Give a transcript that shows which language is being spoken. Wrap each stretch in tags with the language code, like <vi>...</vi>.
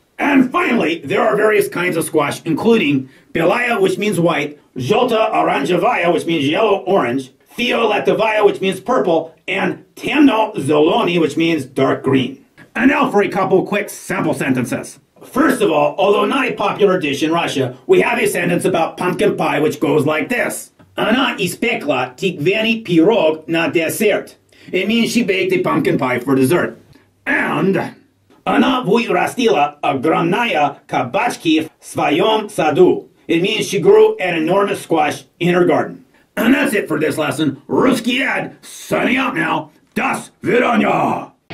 <en>And finally, there are various kinds of squash, including belaya, which means white, zhelta oranjevaya, which means yellow-orange, fioletovaya, which means purple, and temno-zeloni, which means dark green. And now for a couple quick sample sentences. First of all, although not a popular dish in Russia, we have a sentence about pumpkin pie which goes like this.</en> <ru>Она испекла тыквенный пирог на десерт.</ru> <en>It means she baked a pumpkin pie for dessert.</en> <ru>And она вырастила огромные кабачки в своем саду.</ru> <en>It means she grew an enormous squash in her garden. And that's it for this lesson. Rusky Ed, signing out now.</en> <ru>До свидания!</ru>